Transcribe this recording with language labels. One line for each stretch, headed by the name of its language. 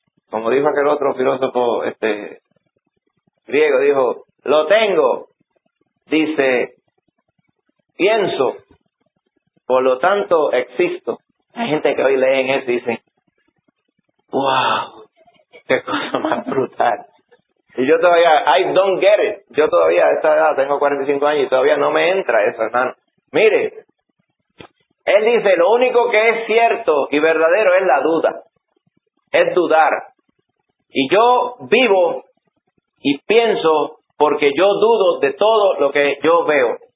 Spanish: Como dijo aquel otro filósofo griego, dijo, ¡lo tengo! Dice, pienso, por lo tanto existo. Hay gente que hoy lee en eso y dice, ¡wow! ¡Qué cosa más brutal! Y yo todavía,
English: I don't get it.
Spanish: Yo todavía a esta edad, tengo 45 años y todavía no me entra eso, hermano. Mire, él dice, lo único que es cierto y verdadero es la duda. Es dudar. Y yo vivo y pienso porque yo dudo de todo lo que yo veo.